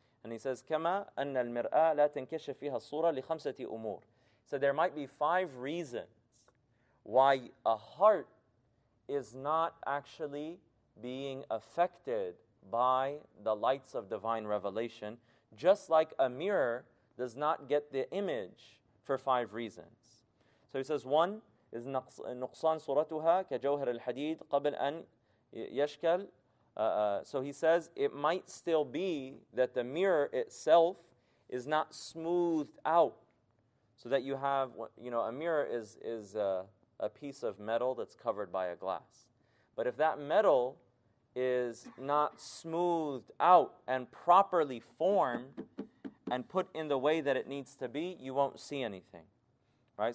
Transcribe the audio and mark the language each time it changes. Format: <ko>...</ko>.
<en>And he says,</en> <ar>كَمَا أَنَّ الْمِرْآءَ لَا تَنْكَشَفْ فِيهَا الصُّورَةَ لِخَمْسَةِ أُمُورِ.</ar> <en>So there might be five reasons why a heart is not actually being affected by the lights of divine revelation, just like a mirror does not get the image for five reasons. So he says, one is</en> <ar>نُقْصَان صُورَتُهَا كَجَوْهَرِ الْحَدِيدِ قَبْلَ أَنْ يَشْكَلْ.</ar> <en>So he says, it might still be that the mirror itself is not smoothed out, so that you have, you know, a mirror is a piece of metal that's covered by a glass. But if that metal is not smoothed out and properly formed and put in the way that it needs to be, you won't see anything, right?</en>